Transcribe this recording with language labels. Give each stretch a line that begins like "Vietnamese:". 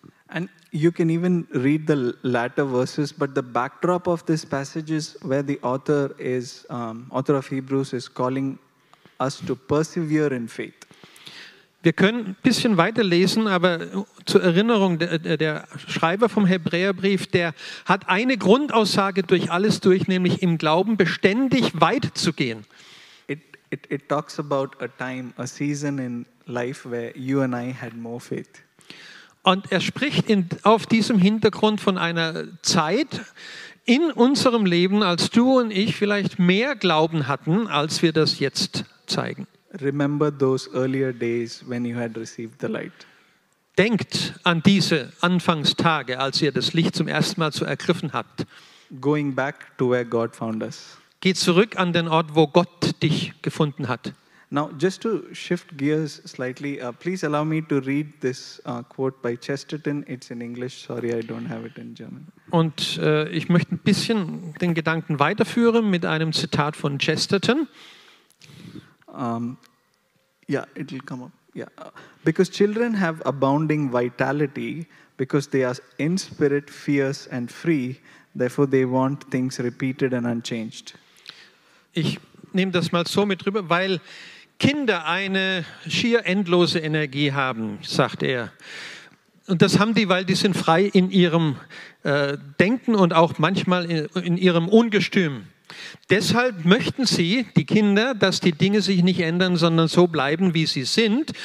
English: And you can even read the latter verses, but the backdrop of this passage is where the author is, author of Hebrews is calling us to persevere in faith.
German: Wir können ein bisschen weiter lesen, aber zur Erinnerung, der Schreiber vom Hebräerbrief, der hat eine Grundaussage durch alles durch, nämlich im Glauben beständig weit zu gehen.
English: It talks about a time, a season in life where you and I had more faith.
German: Und er spricht auf diesem Hintergrund von einer Zeit in unserem Leben, als du und ich vielleicht mehr Glauben hatten, als wir das jetzt zeigen.
English: Remember those earlier days when you had received the light.
German: Denkt an diese Anfangstage, als ihr das Licht zum ersten Mal so ergriffen habt.
English: Going back to where God found us.
German: Geht zurück an den Ort, wo Gott dich gefunden hat.
English: Now, just to shift gears slightly, please allow me to read this quote by Chesterton. It's in English. Sorry, I don't have it in German.
German: Und ich möchte ein bisschen den Gedanken weiterführen mit einem Zitat von Chesterton.
English: It'll come up. Yeah, because children have abounding vitality, because they are in spirit fierce and free, therefore they want things repeated and unchanged.
German: Ich nehme das mal so mit rüber, weil Kinder eine schier endlose Energie haben, sagt er. Und das haben die, weil die sind frei in ihrem Denken und auch manchmal in ihrem Ungestüm. Deshalb möchten sie, die Kinder, dass die Dinge sich nicht ändern, sondern so bleiben, wie sie sind.